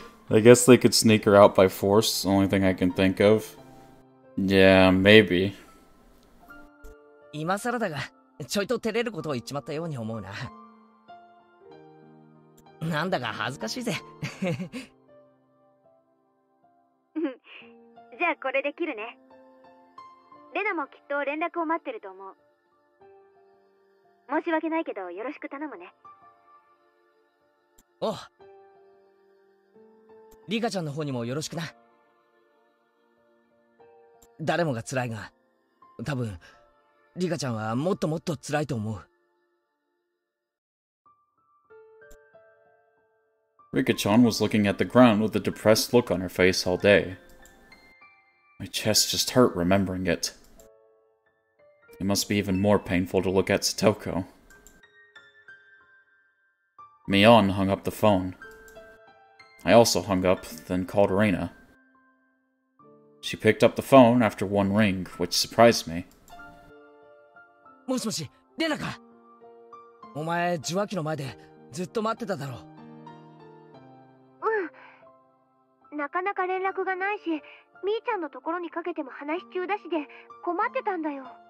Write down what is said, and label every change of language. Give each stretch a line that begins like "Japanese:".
English: I guess they could sneak her out by force, only thing I can think of. Yeah, maybe.
Japanese: 今更だが、ちょいと照れることを言っちまったように思うな。なんだか恥ずかしいぜ。じゃあこれで切るね。レナもきっと連絡を待ってると思う。申し訳ないけど、よろしく頼むね。おう。リカちゃんの方にもよろしくな。誰もが辛いが、多分リカちゃんはもっともっと辛いと思う。
English: リカちゃん was looking at the ground with a depressed look on her face all day. My chest just hurt remembering it. It must be even more painful to look at Satoko. Mion hung up the phone. I also hung up, then called Reina. She picked up the phone after one ring, which surprised me.
Japanese: もしもし、レナか。お前、受話器の前でずっと待ってただろう。うん。なかなか連絡がないし、みーちゃんのところにかけても話中だしで困ってたんだよ。